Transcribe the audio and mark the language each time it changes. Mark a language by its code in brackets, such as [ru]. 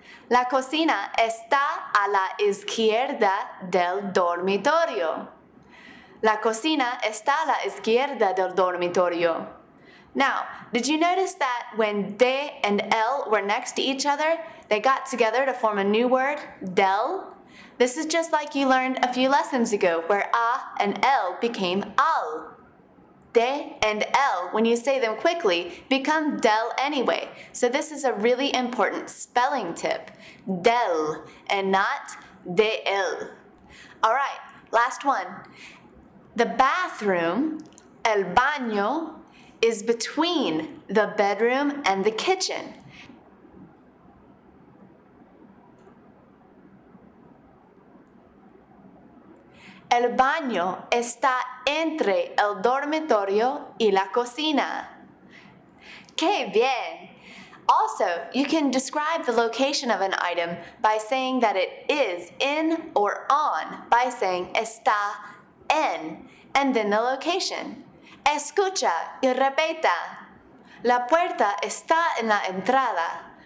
[es] La cocina está a la izquierda del dormitorio. La cocina está a la izquierda del dormitorio. [en] Now, did you notice that when de and el were next to each other, they got together to form a new word, del? This is just like you learned a few lessons ago, where a and el became al. De and el, when you say them quickly, become del anyway. So this is a really important spelling tip. Del, and not de el. All right, last one. The bathroom, el baño, is between the bedroom and the kitchen. [es] El baño está entre el dormitorio y la cocina. ¡Qué bien! [en] Also, you can describe the location of an item by saying that it is in or on by saying está en, and then the location. [es] Escucha y repita. La puerta está en la entrada.